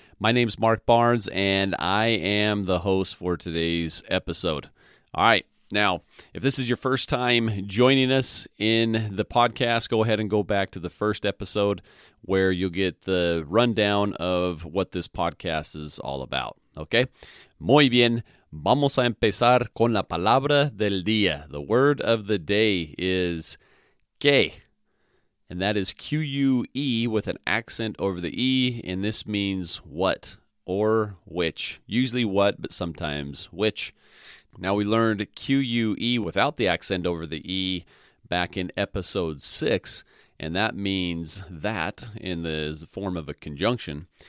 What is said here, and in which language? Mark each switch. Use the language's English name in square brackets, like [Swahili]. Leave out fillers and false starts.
[English] My name's Mark Barnes, and I am the host for today's episode. All right. Now, if this is your first time joining us in the podcast, go ahead and go back to the first episode where you'll get the rundown of what this podcast is all about. Okay? [Spanish] Muy bien. Vamos a empezar con la palabra del día. [English] The word of the day is que, and that is Q-U-E with an accent over the E, and this means what or which. Usually what, but sometimes which. Now, we learned Q-U-E without the accent over the E back in episode 6, and that means that in the form of a conjunction.